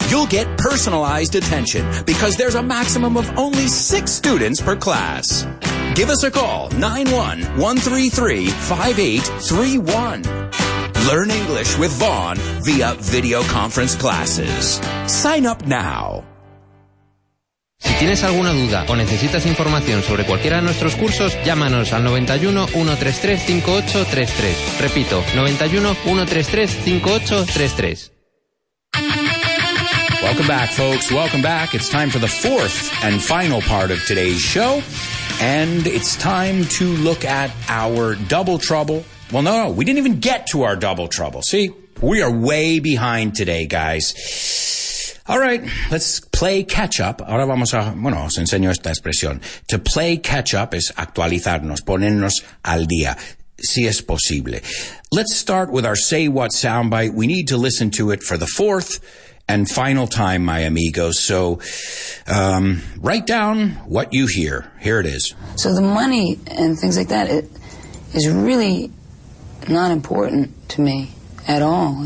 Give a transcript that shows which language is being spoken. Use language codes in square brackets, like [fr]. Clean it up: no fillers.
[en] You'll get personalized attention because there's a maximum of only 6 students per class. Give us a call, 91-133-5831. Learn English with Vaughn via video conference classes. Sign up now. [es] Si tienes alguna duda o necesitas información sobre cualquiera de nuestros cursos, llámanos al 91-133-5833. Repito, 91-133-5833. [en] Welcome back, folks. Welcome back. It's time for the fourth and final part of today's show. And it's time to look at our double trouble. Well, no, we didn't even get to our double trouble. See, we are way behind today, guys. All right, let's play catch up. [es] Ahora vamos a, bueno, os enseño esta expresión. [en] To play catch up [es] es actualizarnos, ponernos al día, si es posible. [en] Let's start with our say what soundbite. We need to listen to it for the fourth and final time, my amigos. So, write down what you hear. Here it is. So the money and things like that, it is really not important to me at all.